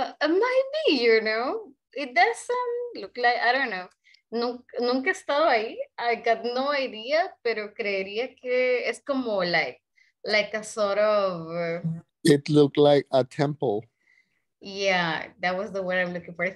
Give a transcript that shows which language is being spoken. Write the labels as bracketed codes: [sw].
[en] Maybe, you know, it doesn't look like, I don't know. [es] Nunca he estado ahí. [en] I got no idea, [es] pero creería que es como [en] like a sort of... It looked like a temple. Yeah, that was the word I'm looking for.